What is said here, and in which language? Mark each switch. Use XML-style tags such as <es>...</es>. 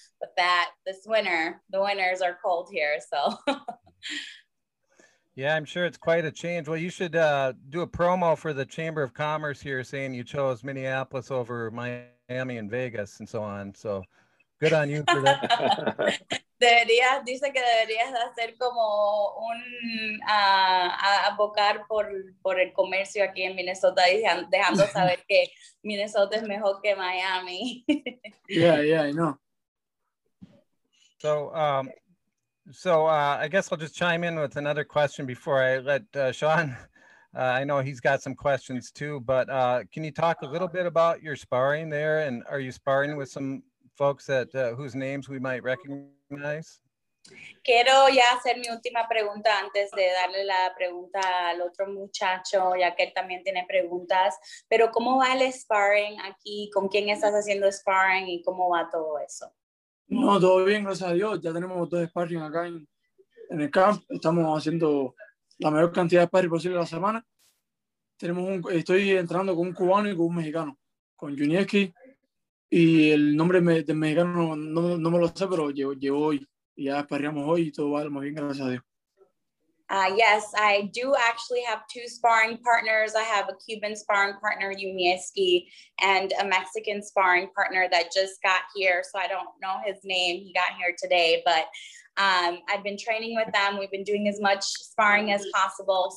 <en>But that this winter, the winters are cold here. So... Yeah, I'm sure it's quite a change. Well, you should do a promo for the Chamber of Commerce here saying you chose Minneapolis over Miami and Vegas and so on. So good on you for that.</en> <es>Dice que deberías hacer como un abocar por el comercio aquí en Minnesota, dejando saber que Minnesota es mejor que Miami.</es> <en>Yeah, I know. So I guess I'll just chime in with another question before I let Sean, I know he's got some questions too, but can you talk a little bit about your sparring there? And are you sparring with some folks that whose names we might recognize?</en> <es>Quiero ya hacer mi última pregunta antes de darle la pregunta al otro muchacho, ya que él también tiene preguntas. Pero ¿cómo va el sparring aquí? ¿Con quién estás haciendo sparring y cómo va todo eso? No, todo bien, gracias a Dios. Ya tenemos dos sparring acá en el camp. Estamos haciendo la mayor cantidad de sparring posible a la semana. Estoy entrenando con un cubano y con un mexicano, con Junieski. Y el nombre del mexicano no me lo sé, pero llevo hoy. Y ya sparreamos hoy y todo va muy bien, gracias a Dios.</es> <en>Yes, I do actually have two sparring partners. I have a Cuban sparring partner, Yumieski, and a Mexican sparring partner that just got here. So I don't know his name. He got here today, but I've been training with them. We've been doing as much sparring as possible.</en>